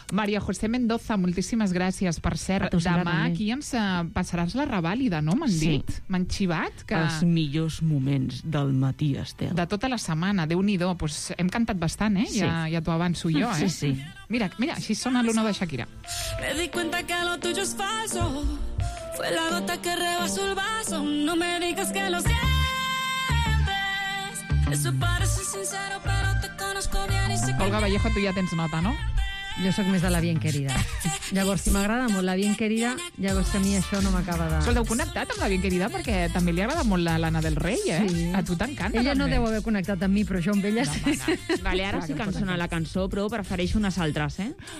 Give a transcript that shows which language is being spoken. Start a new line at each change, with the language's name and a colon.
Catalan: Maria José Mendoza, moltíssimes gràcies. Per cert, demà aquí ens passaràs la revàlida, no? M'han dit. M'han xivat. Que... Els millors moments del matí, Estel. De tota la setmana, déu-n'hi-do. Pues hem cantat bastant, eh? Sí. Ja t'ho avanço jo, eh? Sí, sí. Mira, així sona l'uno de Shakira.
Spanish: Me di cuenta que lo tuyo es falso. Fue la gota que rebasó el vaso. No me digas que lo sientes. Eso parece sincero, pero te conozco bien y sé que...
Catalan: Olga Vallejo,
Spanish: tú ya
Catalan: tens nota, ¿no? Jo sóc més de la bien querida. Llavors, si m'agrada molt la bien querida, llavors que a mi això no m'acaba de... Escolta, heu connectat amb la bien querida perquè també li agrada molt la Lana del Rey, eh? Sí. A tu t'encanta, ella també. No deu haver connectat amb mi, però jo amb ella sí. No, vale, ara sí que em sona la cançó, però prefereixo unes altres, eh?